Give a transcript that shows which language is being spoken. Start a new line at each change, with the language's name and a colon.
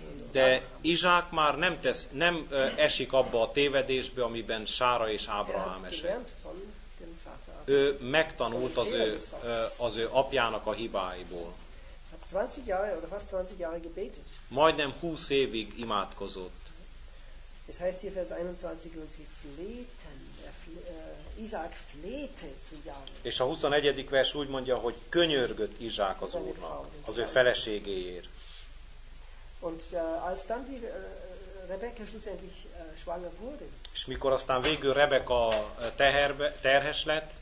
Hungarian: De Izsák már nem tesz, nem esik abba a tévedésbe, amiben Sára és Ábrahám esett. Ő megtanult az ő apjának a hibáiból.
German: 20 Jahre oder fast 20 Jahre gebetet.
Hungarian: Majdnem 20 évig imádkozott.
German: Es heißt hier Vers 21 und sie flehten, Isaac flehte zu Jahwe.
Hungarian: És a 21. vers úgy mondja, hogy könyörgött Izsák az Úrnak, az ő feleségéért.
German: Und als dann die Rebekka schlussendlich schwanger wurde.
Hungarian: És mikor aztán végül Rebekka terhes lett,